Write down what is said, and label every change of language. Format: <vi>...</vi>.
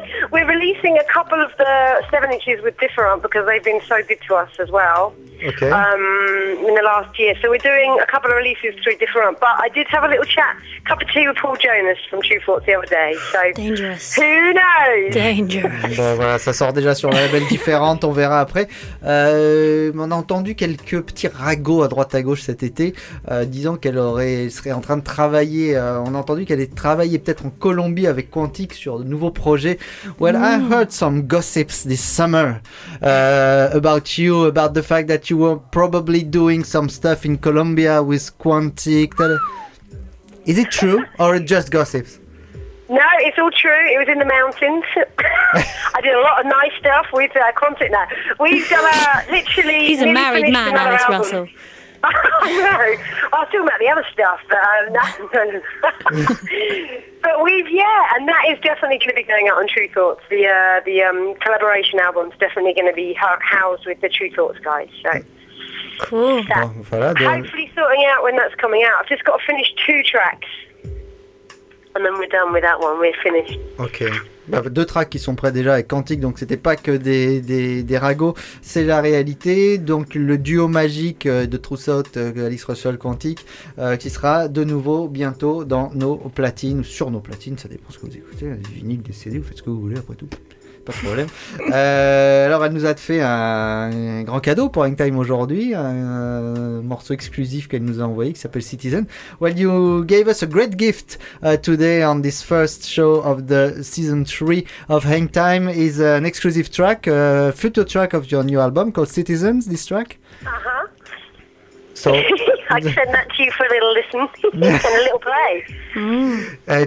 <en>We're releasing a couple of the 7-inches with Different because they've been so good to us as well. Okay. In the last year. So we're doing a couple of releases through Different. But I did have a little chat, cup of tea with Paul Jonas from True Thoughts the other day. So dangerous. Who knows? Dangerous.</en> <fr>Bon, voilà, ça sort déjà sur la label Différente, on verra après. On a entendu quelques petits ragots à droite à gauche cet été, disant qu'elle serait en train de travailler. On a entendu qu'elle est travaillée peut-être en Colombie avec Quantique sur de nouveaux projets.</fr> <en>Well, I heard some gossips this summer about you, about the fact that you were probably doing some stuff in Colombia with Quantique. Is it true or just gossips? No, it's all true. It was in the mountains. I did a lot of nice stuff with Quantique. He's a married man, Alice album. Russell. I know. I was talking about the other stuff, but and that is definitely going to be going out on True Thoughts. The collaboration album's definitely going to be housed with the True Thoughts guys. So cool. Hopefully sorting out when that's coming out. I've just got to finish two tracks, and then we're done with that one. We're finished. Okay.</en> <fr>Deux tracks qui sont prêts déjà avec Quantique, donc c'était pas que des ragots, c'est la réalité. Donc le duo magique de Troussot, Alice Russell, Quantique, qui sera de nouveau bientôt dans nos platines, ou sur nos platines, ça dépend ce que vous écoutez, des vinyles, des CD, vous faites ce que vous voulez après tout, pas de problème. Alors elle nous a fait un grand cadeau pour Hangtime aujourd'hui, un morceau exclusif qu'elle nous a envoyé qui s'appelle Citizen.</fr> <en>Well, you gave us a great gift today on this first show of the season 3 of Hangtime. Is an exclusive track, a future track of your new album called Citizens, this track. So I send that to you for a little listen and a little play.</en>